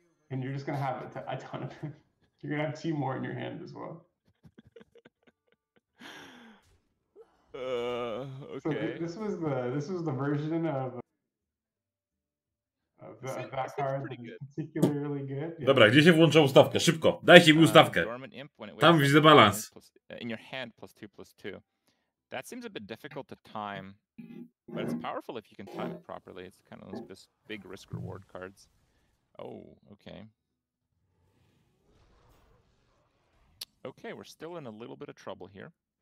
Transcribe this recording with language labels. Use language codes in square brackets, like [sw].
[en] And you're just going to have a ton of... You're going to have 2 more in your hand as well. Okay. So this was the version of that card that is particularly good. Yeah. [pl] Dobra, gdzie się włącza ustawkę? Szybko, dajcie mi ustawkę. Tam widzę balans. [en] In your hand, +2/+2. That seems a bit difficult to time. But it's powerful if you can time it properly. It's kind of those big risk-reward cards. Oh, okay. Okay, we're still in a little bit of trouble here.